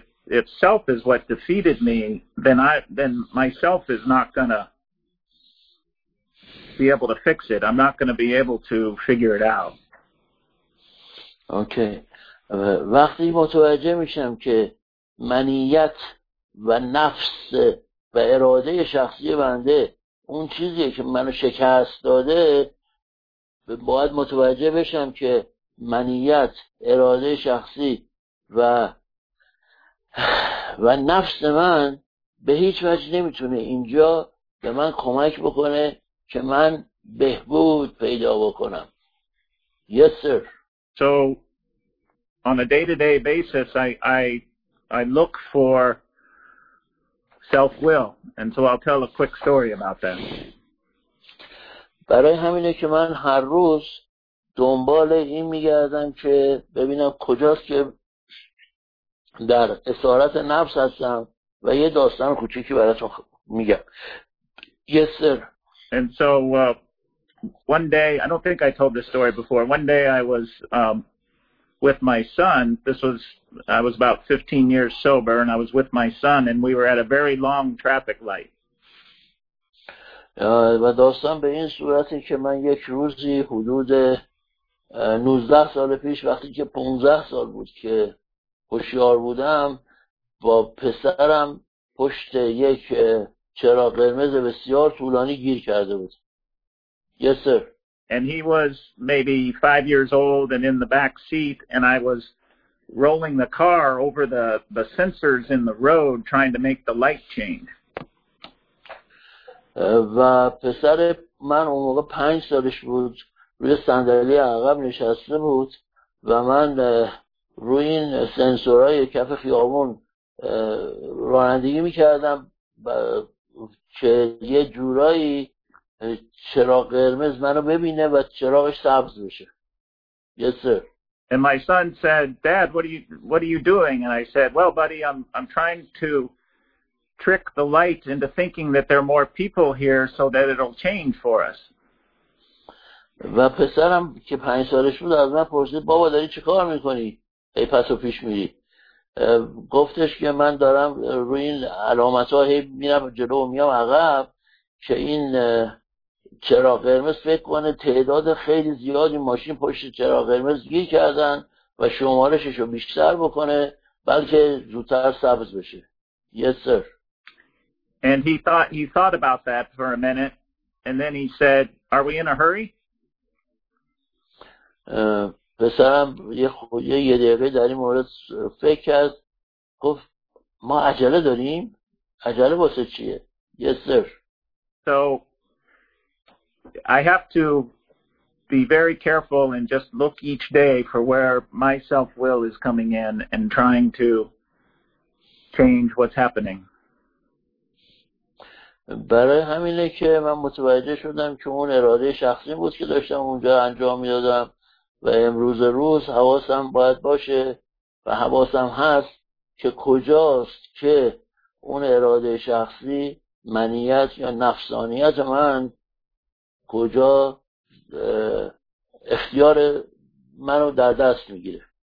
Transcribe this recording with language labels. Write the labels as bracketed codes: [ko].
[en] If self is what defeated me, then myself is not going to be able to fix it. I'm not going to be able to figure it out. Okay. [fa] وقتی متوجه میشم که منیت و نفس و اراده شخصی بنده اون چیزیه که منو شکست داده، باید متوجه بشم که منیت، اراده شخصی و نفس من به هیچ وجه نمیتونه اینجا به من کمک بکنه که من بهبود پیدا بکنم. [en] Yes, sir. So on a day-to-day basis, I I look for self-will. And so I'll tell a quick story about that. [fa] برای همینه که من هر روز دنبال این میگردم که ببینم کجاست که در اسارت نفس هستم و یه داستان کوچیکی براتون میگم. [en] Yes, sir. And so one day, I don't think I told this story before. One day I was with my son. I was about 15 years sober, and I was with my son, and we were at a very long traffic light. [fa] و داستان به این صورتی که من یک روزی حدود 19 سال پیش وقتی که 15 سال بود که هوشیار بودم با پسرم پشت یک چراغ قرمز بسیار طولانی گیر کرده بود. [en] Yes, sir. And he was maybe 5 years old and in the back seat, and I was rolling the car over the sensors in the road trying to make the light change. [fa] و پسر من اون موقع 5 سالش بود روی صندلی عقب نشسته بود و من روی این سنسورهای کف خیابون رانندگی میکردم که یه جورایی چراغ قرمز منو ببینه و چراغش سبز بشه. [en] Yes, sir. And my son said, "Dad, what are you doing?" And I said, "Well, buddy, I'm trying to trick the light into thinking that there are more people here so that it'll change for us." [fa] و پسرم که 5 سالش بود از من پرسید بابا داری چه کار میکنی؟ هی پس و پیش میری. گفتش که من دارم روی این علامت ها هی میرم جلو و میام عقب که این چراغ قرمز فکر کنه تعداد خیلی زیادی ماشین پشت چراغ قرمز گیر کردن و شمارششو بیشتر بکنه بلکه زودتر سبز بشه. [en] Yes, sir. And he thought about that for a minute, and then he said, "Are we in a hurry?" [fa] پسرم یه دقیقه در این مورد فکر کرد، گفت ما عجله داریم؟ عجله واسه چیه؟ [en] Yes, sir. So I have to be very careful and just look each day for where my self-will is coming in and trying to change what's happening. [fa] برای همینه که من متوجه شدم که اون اراده شخصی بود که داشتم اونجا انجام میدادم و امروز روز حواسم باید باشه و حواسم هست که کجاست که اون اراده شخصی منیت یا نفسانیت من کجا اختیار منو در دست میگیره.